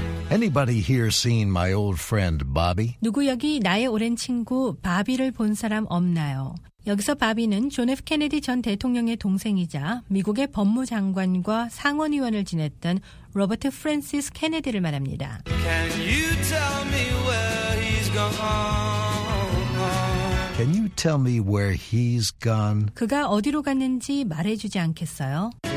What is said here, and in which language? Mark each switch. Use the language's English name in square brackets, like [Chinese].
[English] Anybody here seen my old friend Bobby? [Korean] 누구 여기 나의 오랜 친구 바비를 본 사람 없나요? 여기서 바비는 존 F. 케네디 전 대통령의 동생이자 미국의 법무장관과 상원의원을 지냈던 로버트 프랜시스 케네디를 말합니다. [English] Can you tell me where he's gone? Can you tell me where he's gone? [Korean] 그가 어디로 갔는지 말해주지 않겠어요?